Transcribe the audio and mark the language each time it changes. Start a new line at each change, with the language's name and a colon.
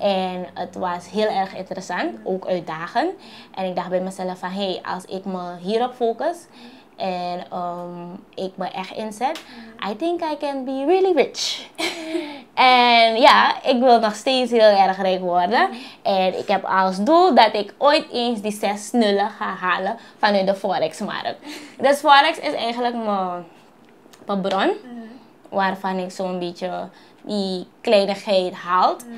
Dutch: En het was heel erg interessant. Ook uitdagend. En ik dacht bij mezelf van, hey, als ik me hierop focus. En ik me echt inzet.
English: I think I can be really rich.
Dutch: En ja, ik wil nog steeds heel erg rijk worden. En ik heb als doel dat ik ooit eens die 6 nullen ga halen vanuit de Forex-markt. Dus Forex is eigenlijk mijn bron. Waarvan ik zo'n beetje die kleinigheid haal.